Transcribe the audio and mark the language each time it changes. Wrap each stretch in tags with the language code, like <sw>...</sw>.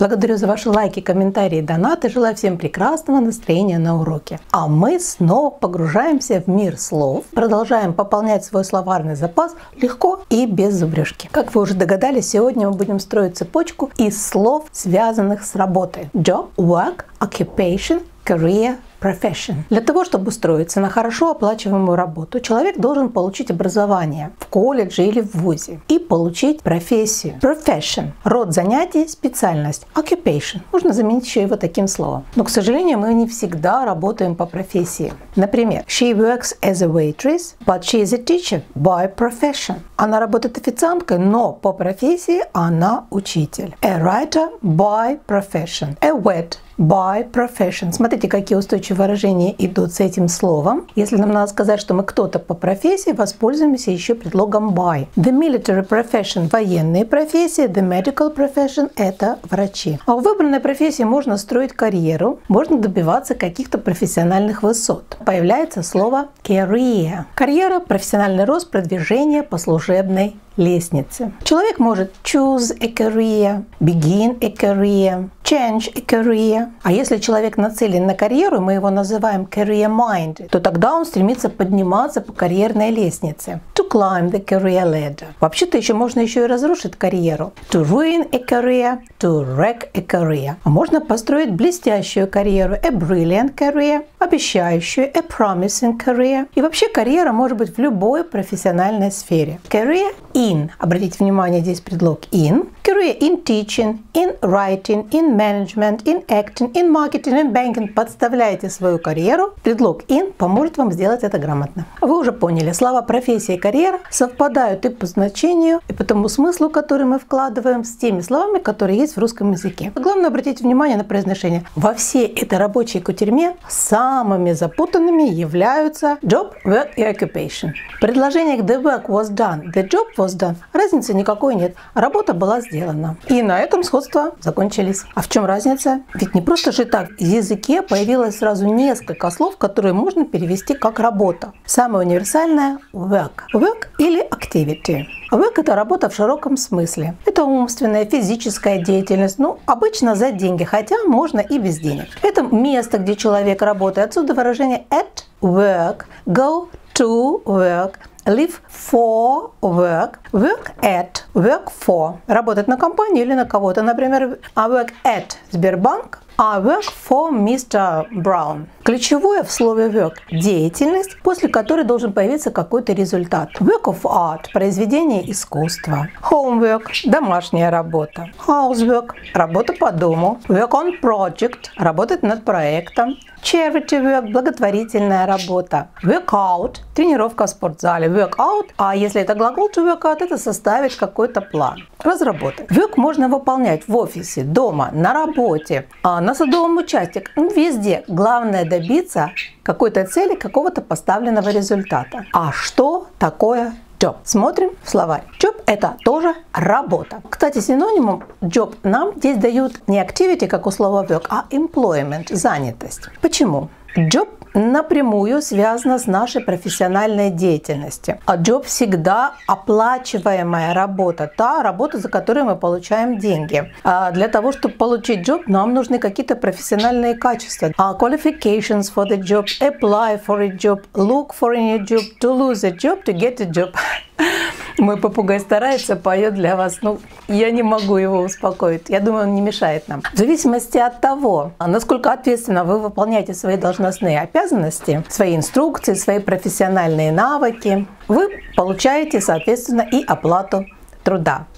<ru>Благодарю за ваши лайки, комментарии, донаты. Желаю всем прекрасного настроения на уроке. А мы снова погружаемся в мир слов. Продолжаем пополнять свой словарный запас легко и без зубрежки. Как вы уже догадались, сегодня мы будем строить цепочку из слов, связанных с работой.</ru> <en>Job, work, occupation, career. Profession.</en> <ru>Для того, чтобы устроиться на хорошо оплачиваемую работу, человек должен получить образование в колледже или в вузе и получить профессию. Profession – род занятий, специальность. Occupation – можно заменить еще его таким словом. Но, к сожалению, мы не всегда работаем по профессии.</ru> <en>Например, she works as a waitress, but she is a teacher by profession.</en> <ru>Она работает официанткой, но по профессии она учитель.</ru> <en>A writer by profession. A vet by profession.</en> <ru>Смотрите, какие устойчивые выражения идут с этим словом. Если нам надо сказать, что мы кто-то по профессии, воспользуемся еще предлогом by.</ru> <en>The military profession –</en> <ru>военные профессии.</ru> <en>The medical profession –</en> <ru>это врачи. А в выбранной профессии можно строить карьеру, можно добиваться каких-то профессиональных высот. Появляется слово career. Карьера – профессиональный рост, продвижение по служебной лестнице. Человек может</ru> <en>choose a career, begin a career, change a career.</en> <ru>А если человек нацелен на карьеру, мы его называем</ru> <en>career minded,</en> <ru>то тогда он стремится подниматься по карьерной лестнице.</ru> <en>To climb the career ladder.</en> <ru>Вообще-то еще можно еще и разрушить карьеру.</ru> <en>To ruin a career, to wreck a career.</en> <ru>А можно построить блестящую карьеру,</ru> <en>a brilliant career, обещающую, a promising career.</en> <ru>И вообще карьера может быть в любой профессиональной сфере.</ru> <en>Career in.</en> <ru>Обратите внимание, здесь предлог in.</ru> <en>Career in teaching, in writing, in management, in acting, in marketing, in banking.</en> <ru>Подставляйте свою карьеру. Предлог in поможет вам сделать это грамотно. Вы уже поняли, слова профессия и карьера совпадают и по значению, и по тому смыслу, который мы вкладываем, с теми словами, которые есть в русском языке. Главное обратить внимание на произношение. Во всей этой рабочей кутерьме самыми запутанными являются job, work и occupation.</ru> <en>Предложение the work was done, the job was done.</en> <ru>Разницы никакой нет. Работа была сделана. И на этом сходства закончились. А в чем разница? Ведь не просто же так. В языке появилось сразу несколько слов, которые можно перевести как работа. Самое универсальное – work. Work или activity. Work – это работа в широком смысле. Это умственная, физическая деятельность. Ну, обычно за деньги, хотя можно и без денег. Это место, где человек работает. Отсюда выражение</ru> <en>at work, go to work, live for work, work at, work for.</en> <ru>Работать на компанию или на кого-то.</ru> <en>Например, I work at Сбербанк, I work for Mr. Brown.</en> <ru>Ключевое в слове work – деятельность, после которой должен появиться какой-то результат.</ru> <en>Work of art –</en> <ru>произведение искусства. Homework – домашняя работа. Housework – работа по дому.</ru> <en>Work on project</en> <ru>– работать над проектом.</ru> <en>Charity work</en> <ru>– благотворительная работа. Workout – тренировка в спортзале. Workout, а если это глагол</ru> <en>to work out,</en> <ru>это составить какой-то план. Разработать. Work можно выполнять в офисе, дома, на работе, на садовом участке, везде. Главное добиться какой-то цели, какого-то поставленного результата. А что такое job? Смотрим в словарь. Job – это тоже работа. Кстати, синонимом job нам здесь дают не activity, как у слова work, а employment – занятость. Почему? Job – напрямую связана с нашей профессиональной деятельностью. А джоб всегда оплачиваемая работа, та работа, за которую мы получаем деньги. А для того, чтобы получить джоб, нам нужны какие-то профессиональные качества.</ru> <en>Qualifications for the job, apply for a job, look for a new job, to lose a job, to get a job.</en> <ru>Мой попугай старается, поет для вас, но я не могу его успокоить. Я думаю, он не мешает нам. В зависимости от того, насколько ответственно вы выполняете свои должностные обязанности, свои инструкции, свои профессиональные навыки, вы получаете, соответственно, и оплату труда.</ru>